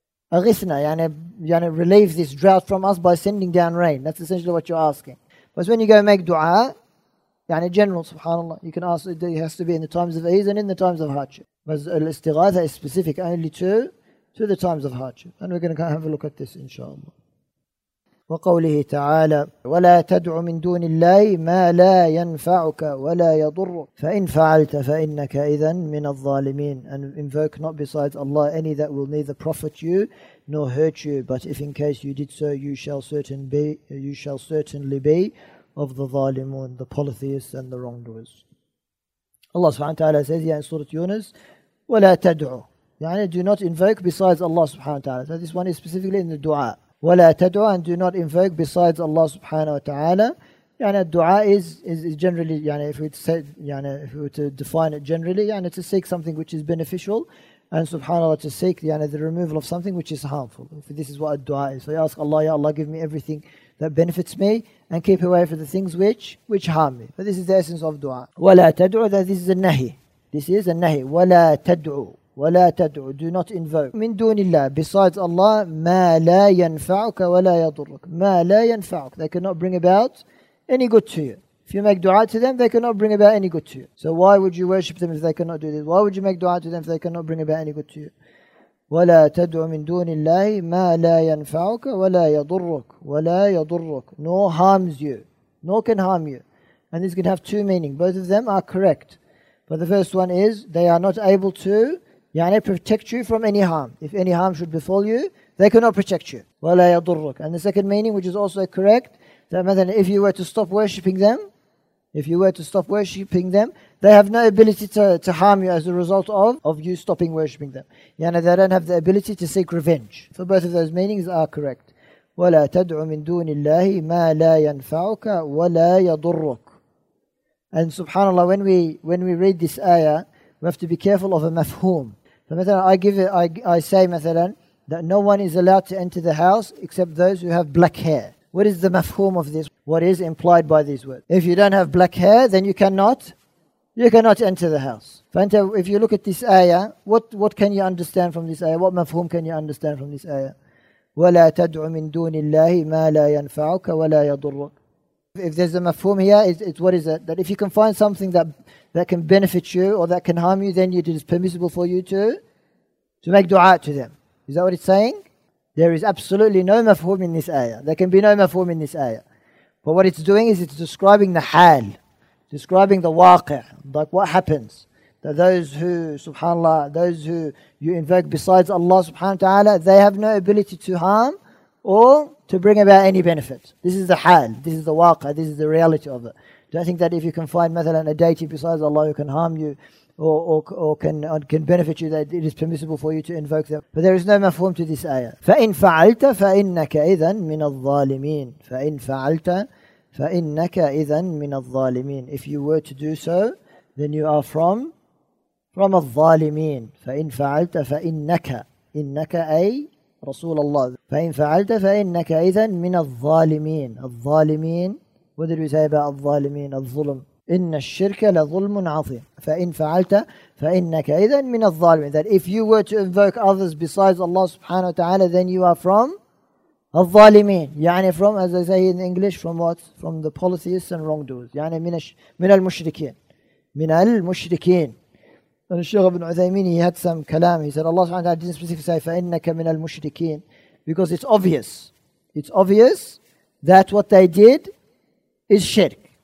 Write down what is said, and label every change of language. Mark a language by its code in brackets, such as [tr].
[en] Aghithna, yani relieve this drought from us by sending down rain. That's essentially what you're asking. But when you go make dua, yani general, subhanAllah, you can ask, it has to be in the times of ease and in the times of hardship. But al-istighatha is specific only to the times of hardship. And we're going to have a look at this, inshaAllah. [ar] وقوله تعالى ولا تدع من دون الله ما لا ينفعك ولا يضرك فإن فعلت فإنك إذن من الظالمين. [en] And invoke not besides Allah any that will neither profit you nor hurt you, but if in case you did so, you shall certainly be of the ظالمون, the polytheists and the wrongdoers. Allah [ar] سبحانه وتعالى [en] says here in Surah Yunus, [ar] ولا تدع, يعني [en] do not invoke besides Allah سبحانه وتعالى. So this one is specifically in the du'a. [ar] ولا تدع, [en] and do not invoke besides Allah subhanahu wa ta'ala. [ar] يعني الدعاء [en] is generally, يعني if we say, يعني if we to define it generally, يعني to seek something which is beneficial, and subhanAllah to seek, يعني the removal of something which is harmful. If this is what a dua is. So you ask Allah, ya Allah, give me everything that benefits me and keep away from the things which harm me. But this is the essence of dua. [ar] ولا تدع, [en] that this is a nahi. This is a nahi. [ar] ولا تدع. ولا تدع, [en] do not invoke [ar] من دون الله [en] besides Allah [ar] ما لا ينفعك ولا يضرك. ما لا ينفعك, [en] they cannot bring about any good to you. If you make dua to them, they cannot bring about any good to you. So why would you worship them if they cannot do this? Why would you make dua to them if they cannot bring about any good to you? [ar] ولا تدع من دون الله ما لا ينفعك ولا يضرك. ولا يضرك, [en] nor harms you, nor can harm you. And this can have two meanings. Both of them are correct. But the first one is they are not able to, يعني protect you from any harm. If any harm should befall you, they cannot protect you. [ar] ولا يضرك. [en] And the second meaning, which is also correct, that مثلا, if you were to stop worshipping them, if you were to stop worshipping them, they have no ability to harm you as a result of you stopping worshipping them. يعني they don't have the ability to seek revenge. So both of those meanings are correct. [ar] ولا تدع من دون الله ما لا ينفعك ولا يضرك. [en] And subhanAllah, when we read this ayah, we have to be careful of a mafhum. So, مثلا, I say, مثلا, that no one is allowed to enter the house except those who have black hair. What is the mafhum of this? What is implied by these words? If you don't have black hair, then you cannot enter the house. فأنت, if you look at this ayah, what can you understand from this ayah? What mafhum can you understand from this ayah? [ar] وَلَا تَدْعُ مِن دُونِ اللَّهِ مَا لَا يَنْفَعُكَ وَلَا يَضُرُّكَ. [en] If there's a mafhum here, it's what is it? That if you can find something that can benefit you or that can harm you, then it is permissible for you to make dua to them. Is that what it's saying? There is absolutely no mafhum in this ayah. There can be no mafhum in this ayah. But what it's doing is it's describing the hal, describing the waqi', like what happens. That those who, subhanAllah, those who you invoke besides Allah subhanahu wa ta'ala, they have no ability to harm or to bring about any benefit. This is the hal, this is the waqi', this is the reality of it. Don't think that if you can find, mathalan, a deity besides Allah who can harm you or can benefit you, that it is permissible for you to invoke them. But there is no mafhum to this ayah. [ar] فَإِن فَعَلْتَ فَإِنَّكَ إِذًا مِنَ الظَّالِمِينَ فَإِن فَعَلْتَ فَإِنَّكَ إِذًا مِنَ الظَّالِمِينَ [en] If you were to do so, then you are from [ar] الظَّالِمِينَ فَإِن فَعَلْتَ فَإِنَّكَ إِنَّكَ أي رسول الله فَإِن فَعَلْتَ فَإِنَّكَ إِذًا مِنَ الظَّالِمِينَ الظَّالِمِينَ [en] What did we say about [ar] الظَّالِمِينَ الظُّلُم إِنَّ الشِّرْكَ لَظُلْمٌ عَظِيمٌ فَإِنْ فَعَلْتَ فَإِنَّكَ إِذًا مِنَ الظَّالِمِينَ [en] That if you were to invoke others besides Allah subhanahu wa ta'ala, then you are from الظَّالِمِينَ يعني from, as I say in English, from what? From the polytheists and wrongdoers. [ar] يعني من المشركين. من المشركين. [en] And Shaykh ibn Uthaymeen, he had some kalam. He said, Allah subhanahu wa ta'ala didn't specifically say, [ar] فَإِنَّكَ مِنَ الْمُشْرِكِينَ [en] Because it's obvious. It's obvious that what they did is shirk.